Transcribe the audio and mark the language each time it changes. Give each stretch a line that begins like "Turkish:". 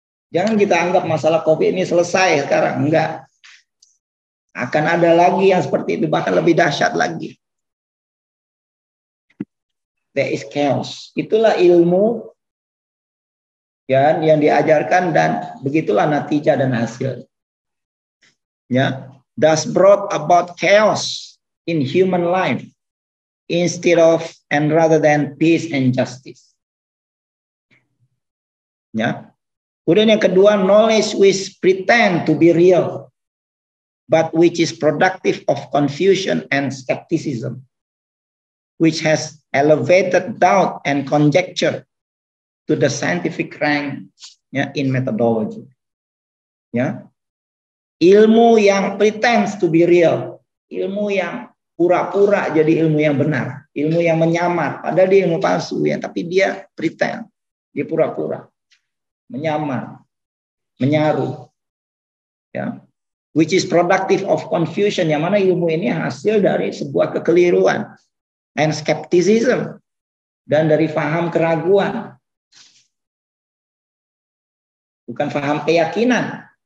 Indonesian: Jangan kita anggap masalah COVID ini selesai sekarang. Enggak. Akan ada lagi yang seperti itu, bahkan lebih dahsyat lagi.
English: There is chaos.
Indonesian: Itulah ilmu ya, yang diajarkan dan begitulah natijah dan hasil.
English: Ya, thus brought about chaos in human life instead of and rather than peace and justice.
Indonesian: Ya. Kemudian yang kedua,
English: knowledge which pretend to be real but which is productive of confusion and skepticism, which has elevated doubt and conjecture to the scientific rank ya, in methodology. Ya.
Indonesian: Ilmu yang
English: pretends to be real,
Indonesian: ilmu yang pura-pura jadi ilmu yang benar, ilmu yang menyamar, padahal dia ilmu palsu, ya, tapi dia pretend, dia pura-pura, menyamar. menyaru, ya,
English: which is productive of confusion,
Indonesian: yang mana ilmu ini hasil dari sebuah kekeliruan
English: and skepticism
Indonesian: dan dari faham keraguan, bukan faham keyakinan.